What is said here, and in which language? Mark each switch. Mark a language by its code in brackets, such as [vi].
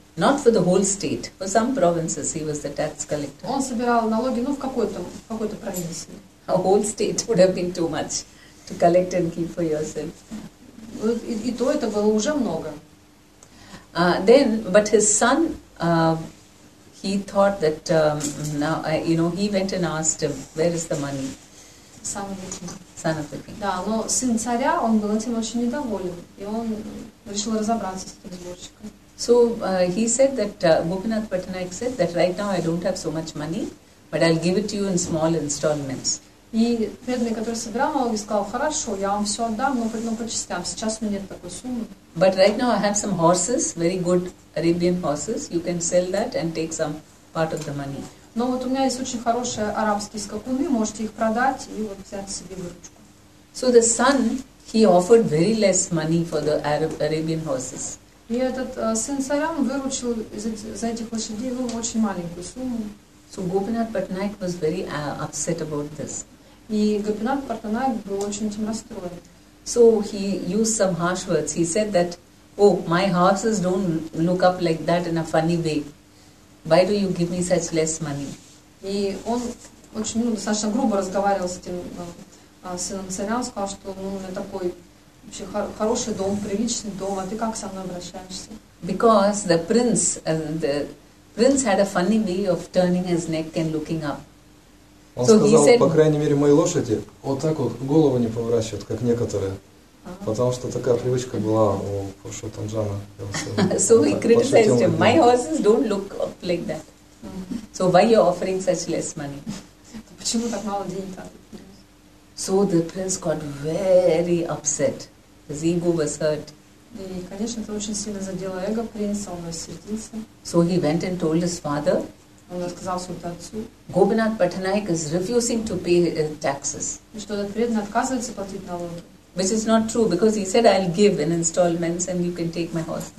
[en] Not for the whole state. For some provinces he was the tax collector. [ru] Он собирал налоги, ну, в какой-то провинции. [en] A whole state would have been too much to collect and keep for yourself. [ru] И то это было уже много. [en] Then, but his son, he thought that, now, you know, he went and asked him, where is the money? Son of the king. Son of the king. [ru] Да, но сын царя, он был этим очень недоволен, и он решил разобраться с этим сборщиком. [en] So, he said that, Gopinath Patnaik said that right now I don't have so much money, but I'll give it to you in small installments. [ru] И преданный, который собирал налоги, сказал, хорошо, я вам все отдам, но по частям, сейчас у меня нет такой суммы. [en] But right now I have some horses, very good Arabian horses, you can sell that and take some part of the money. [ru] Но вот у меня есть очень хорошие арабские скакуны, можете их продать и вот взять себе выручку. [en] So the son, he offered very less money for the Arabian horses. [ru] И этот сын царя выручил за этих лошадей ну, очень маленькую сумму. [en] So Gopinath Patnaik was very upset about this. [ru] И Гопинат Патнаик был очень этим расстроен. [en] So he used some harsh words. He said that, oh, my horses don't look up like that in a funny way. Why do you give me such less money? [ru] И он очень, ну, достаточно грубо разговаривал с этим сыном царя. Он сказал, что ну, у меня такой вообще хороший дом, приличный дом, а ты как со мной обращаешься? [en] Because the prince had a funny way of turning his neck and looking up. [ru] Он [en] so [ru] сказал, [en] said, [ru] по крайней мере, мои лошади вот так вот голову не поворачивают, как некоторые. Uh-huh. Потому что такая привычка была у Пуршотанджана. [en] So he criticized him. My horses don't look up like that. So why are you offering such less money? [ru] Почему так мало денег? [en] So the prince got very upset. His ego was hurt. [ru] И, конечно, это очень сильно задело эго принца, он рассердился. [en] So he went and told his father. [ru] Он рассказал своему отцу. [en] Gopinath Patnaik is refusing to pay taxes. [ru] И что этот преданный отказывается платить налоги. [en] Which is not true, because he said, I'll give in installments and you can take my horses.